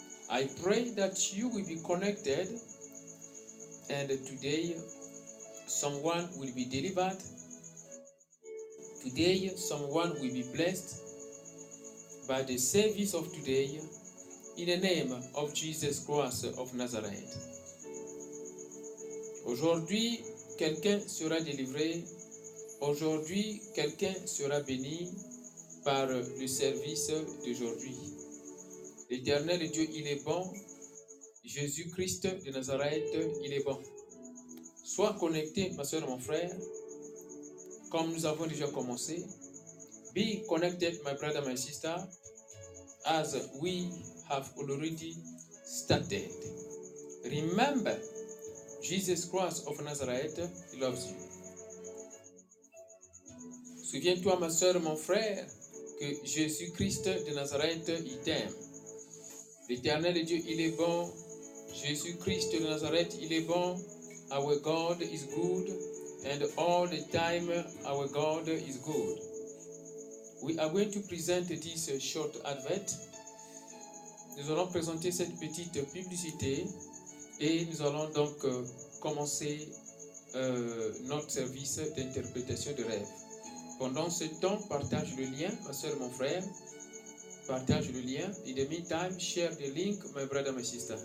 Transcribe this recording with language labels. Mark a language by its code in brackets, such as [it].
[en] I pray that you will be connected, and today, someone will be delivered. Today, someone will be blessed by the service of today in the name of Jesus Christ of Nazareth. [fr] Aujourd'hui, quelqu'un sera délivré. Aujourd'hui, quelqu'un sera béni par le service d'aujourd'hui. L'Éternel Dieu, il est bon. Jésus-Christ de Nazareth, il est bon. Sois connecté, ma soeur, mon frère. Comme nous avons déjà commencé, [en] be connected, my brother, my sister, as we have already started. Remember, Jesus Christ of Nazareth loves you. [fr] Souviens-toi, ma soeur, mon frère, que Jésus-Christ de Nazareth, il t'aime. L'Éternel Dieu, il est bon. Jésus-Christ de Nazareth, il est bon. [en] Our God is good. And all the time, our God is good. We are going to present this short advert. [fr] Nous allons présenter cette petite publicité et nous allons donc commencer notre service d'interprétation de rêve. Pendant ce temps, partage le lien, ma soeur, mon frère. Partage le lien. [en] In the meantime, share the link, my brother, my sister.